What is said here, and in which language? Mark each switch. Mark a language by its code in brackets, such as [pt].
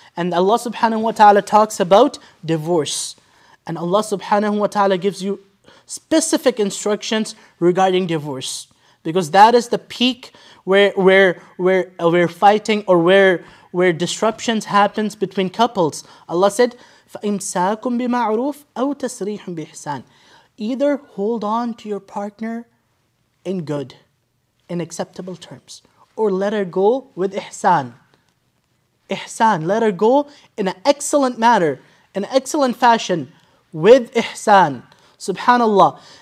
[en] And Allah subhanahu wa ta'ala talks about divorce. And Allah subhanahu wa ta'ala gives you specific instructions regarding divorce. Because that is the peak where fighting or where disruptions happens between couples. Allah said, [ar] فَإِمْسَاكُمْ بِمَعْرُوفٍ أَوْ تَسْرِيحٌ بِإِحْسَانٍ. [en] Either hold on to your partner in good, in acceptable terms, or let her go with ihsan. Ihsan, let her go in an excellent manner, in an excellent fashion, with ihsan. SubhanAllah.